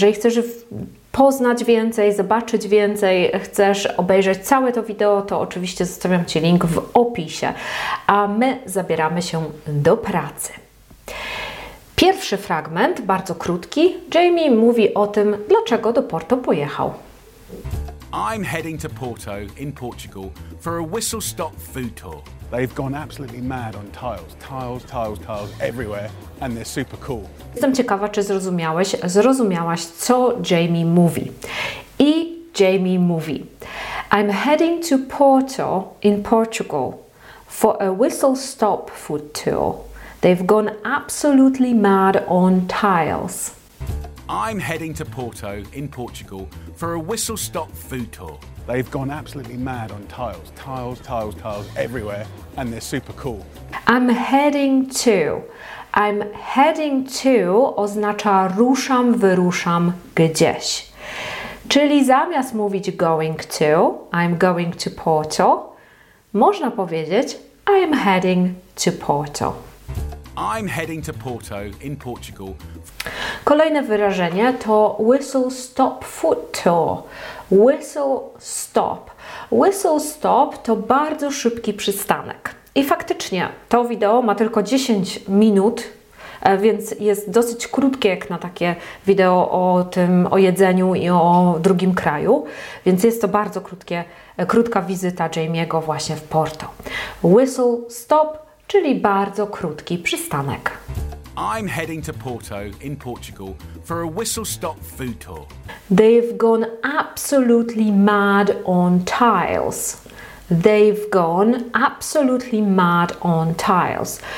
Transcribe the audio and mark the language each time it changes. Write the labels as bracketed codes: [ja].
[pl] Jeżeli chcesz poznać więcej, zobaczyć więcej, chcesz obejrzeć całe to wideo, to oczywiście zostawiam Ci link w opisie. A my zabieramy się do pracy. Pierwszy fragment, bardzo krótki. Jamie mówi o tym, dlaczego do Porto pojechał. [en] I'm heading to Porto in Portugal for a whistle-stop food tour. They've gone absolutely mad on tiles. Tiles, tiles, tiles everywhere and they're super cool. [pl] Jestem ciekawa, czy zrozumiałaś, co Jamie mówi. I Jamie mówi: [en] I'm heading to Porto in Portugal for a whistle-stop food tour. They've gone absolutely mad on tiles. I'm heading to Porto in Portugal for a whistle-stop food tour. They've gone absolutely mad on tiles. Tiles, tiles, tiles everywhere, and they're super cool. I'm heading to. I'm heading to [pl] oznacza ruszam, wyruszam gdzieś. Czyli zamiast mówić [en] going to, I'm going to Porto, [pl] można powiedzieć [en] I'm heading to Porto. I'm heading to Porto in Portugal. [pl] Kolejne wyrażenie to [en] whistle stop food tour. Whistle stop. Whistle stop [pl] to bardzo szybki przystanek. I faktycznie to wideo ma tylko 10 minut, więc jest dosyć krótkie jak na takie wideo o tym, o jedzeniu i o drugim kraju. Więc jest to bardzo krótka wizyta Jamie'ego właśnie w Porto. [en] Whistle stop, [pl] czyli bardzo krótki przystanek. [en] I'm heading to Porto in Portugal for a whistle-stop food tour. They've gone absolutely mad on tiles. They've gone absolutely mad on tiles.